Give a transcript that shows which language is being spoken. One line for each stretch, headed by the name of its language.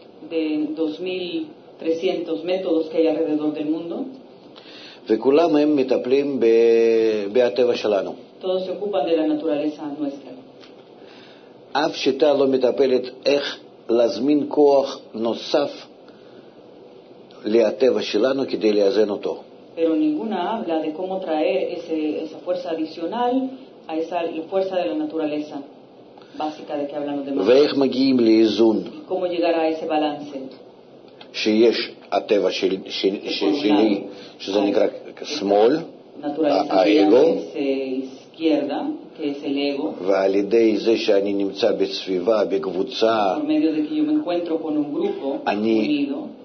Spanish: De 2,300 métodos que hay alrededor del mundo.
Hebrew: וכולם הם מטפלים בטבע שלנו.
Spanish: Todos se ocupan de la naturaleza nuestra.
Hebrew: אף שיטה לא מטפלת איך להזמין כוח נוסף לטבע שלנו כדי לאזן אותו.
Spanish: Pero ninguna habla de cómo traer esa fuerza adicional a esa fuerza de la naturaleza básica de que hablan los demás.
Hebrew: ואיך מגיעים לאיזון?
Spanish: ¿Cómo llegar a ese balance?
Hebrew: שיש הטבע שלי, שזה נקרא שמאל,
Spanish: האגו, izquierda, que es el ego.
Hebrew: ועל ידי זה שאני נמצא בסביבה, בקבוצה,
Spanish: por medio de que yo me encuentro con un grupo unido,